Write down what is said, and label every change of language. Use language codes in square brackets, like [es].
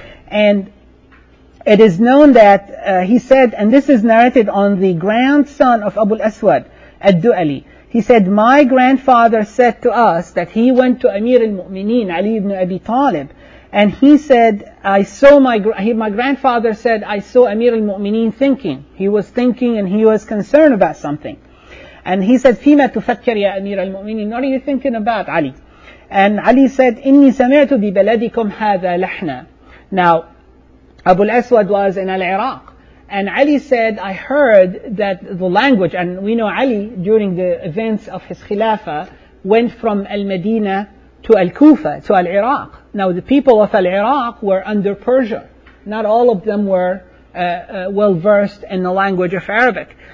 [en] And it is known that he said, and this is narrated on the grandson of Abu al-Aswad al-Du'ali, he said, my grandfather said to us that he went to Amir al-Mu'mineen, Ali ibn Abi Talib, and he said, my grandfather said, I saw Amir al-Mu'mineen thinking. He was thinking and he was concerned about something. And he said, [ar] فِيمَا تُفَكَّرْ يَا أَمِيرَ الْمُؤْمِنِينَ, [en] what are you thinking about, Ali? And Ali said, [ar] إِنِّي سَمِعْتُ بِبَلَدِكُمْ هَذَا لَحْنَا. [en] Now, Abu al-Aswad was in al-Iraq. And Ali said, I heard that the language, and we know Ali, during the events of his Khilafah, went from Al-Medina to Al-Kufa, to Al-Iraq. Now the people of Al-Iraq were under Persia. Not all of them were well-versed in the language of Arabic.